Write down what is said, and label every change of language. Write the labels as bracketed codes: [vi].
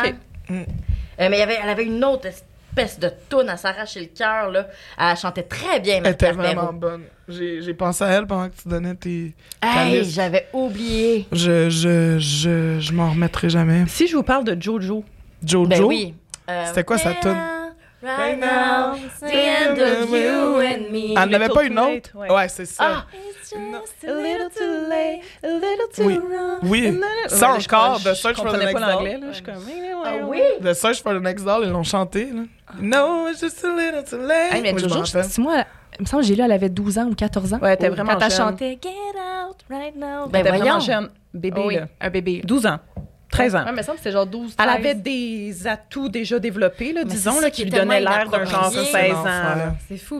[en] Okay. [fr] Mais elle avait une autre espèce de toune à s'arracher le cœur. Là. Elle chantait très bien, Elle était vraiment Perrault. Bonne. J'ai pensé à elle pendant que tu donnais tes. Hey, j'avais oublié. Je m'en remettrai jamais. Si je vous parle de Jojo. Jojo? Ben oui. C'était quoi sa tune? [en] Right now, the end of you and me. [fr] Elle n'avait pas une autre? Late, ouais. Ouais, c'est ça. Ah. [en] It's just a little too late, a little too [fr] oui. [en] Wrong. [fr] Oui, ça ouais, encore, The Search for the Next Doll. Ah oui? The Search for the Next Doll, ils l'ont chanté. Là. Ah. [en] No, it's just a little too late. [fr] Hey, mais Jojo, c'est moi... Il me semble que j'ai lu, elle avait 12 ans ou 14 ans. Ouais, t'es vraiment quand jeune. Quand t'as chanté Get Out Right Now. Ben t'es vraiment jeune. Bébé, oui. Là. Un bébé. 12 ans. 13 ans. Ouais, mais il me semble que c'était genre 12, 13. Elle avait des atouts déjà développés, là, disons, ça, là, qui lui donnaient l'air d'un genre de 16 ans. C'est, c'est fou.